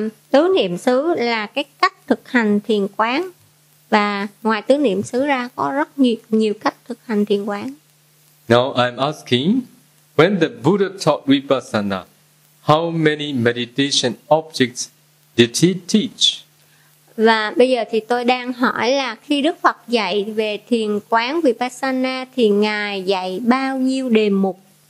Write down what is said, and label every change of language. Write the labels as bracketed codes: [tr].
[vi] Tứ niệm xứ là cái cách thực hành thiền quán, và ngoài tứ niệm xứ ra có rất nhiều cách thực hành thiền quán. [en] Now I'm asking, when the Buddha taught Vipassana, how many meditation objects did he teach? [vi] Và bây giờ thì tôi đang hỏi là khi Đức Phật dạy về thiền quán Vipassana thì Ngài dạy bao nhiêu đề mục?